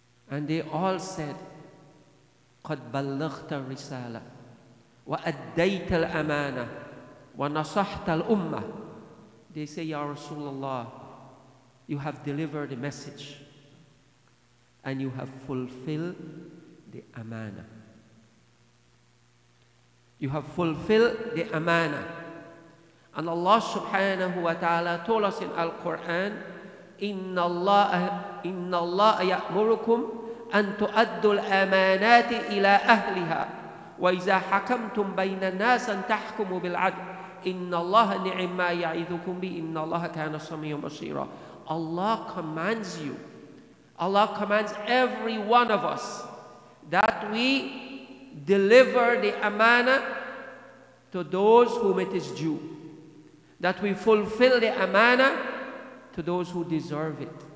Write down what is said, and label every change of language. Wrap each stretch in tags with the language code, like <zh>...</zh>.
<en>And they all said,</en> <ar>قَدْ بَلَّغْتَ الرِّسَالَةَ وَأَدَّيْتَ الْأَمَانَةَ وَنَصَحْتَ الْأُمَّةَ.</ar> <en>They say, Ya Rasulullah, you have delivered the message and you have fulfilled the amana. You have fulfilled the amana. And Allah subhanahu wa ta'ala told us in Al-Quran,</en> <ar>إِنَّ اللَّهَ يَأْمُرُكُمْ أَن تُؤَدُّوا الْأَمَانَاتِ إِلَىٰ أَهْلِهَا وَإِذَا حَكَمْتُمْ بَيْنَ النَّاسِ أَن تَحْكُمُوا بِالْعَدْلِ إِنَّ اللَّهَ نِعِمَّا يَعِذُكُمْ بِهِ إِنَّ اللَّهَ كَانَ سَمِيعًا بَصِيرًا.</ar> <en>Allah commands you, Allah commands every one of us, that we deliver the amana to those whom it is due, that we fulfill the amana to those who deserve it.</en>